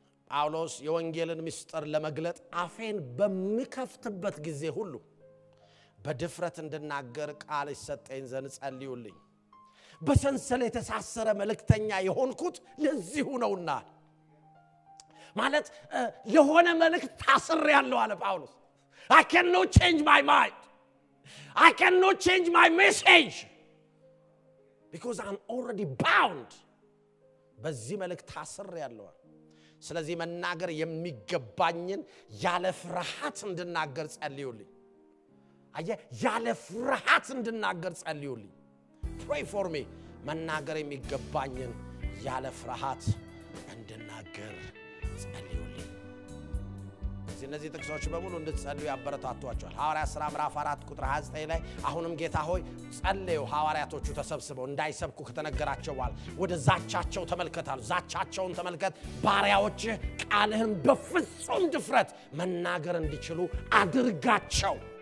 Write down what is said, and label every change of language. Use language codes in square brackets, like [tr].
[am] ጳውሎስ የወንጌልን ምስጢር ለመግለጥ አፌን በመከፍትበት ጊዜ ሁሉ በድፍረት እንድናገር ቃል ይሰጠኝ ዘንድ ጸልዩልኝ። በሰንሰለት የተሳሰረ መልእክተኛ የሆንኩት ለዚሁ ነውና ማለት የሆነ መልእክት ታስር ያለው አለ ጳውሎስ። [en] I cannot change my mind. I cannot change my message because I'm already bound. [am] በዚህ መልእክት ታስር ያለው ስለዚህ መናገር የሚገባኝን ያለ ፍርሃት እንድናገር ጸልዩልኝ። አየ ያለ ፍርሃት እንድናገር ጸልዩልኝ። [en] Pray for me. [am] መናገር የሚገባኝን ያለ ፍርሃት እንድናገር ጸልዩልኝ። እነዚህ ጥቅሶች በሙሉ እንድትጸልዩ ያበረታታችኋል። ሐዋርያት ሥራ ምዕራፍ 4 ቁጥር 29 ላይ አሁንም ጌታ ሆይ ጸልዩ ሐዋርያቶቹ ተሰብስበው እንዳይሰብኩ ከተነገራቸው ወደ ዛቻቸው ተመልከታሉ ዛቻቸውን ተመልከት ባሪያዎች ቃልህን በፍጹም ድፍረት መናገር እንዲችሉ አድርጋቸው።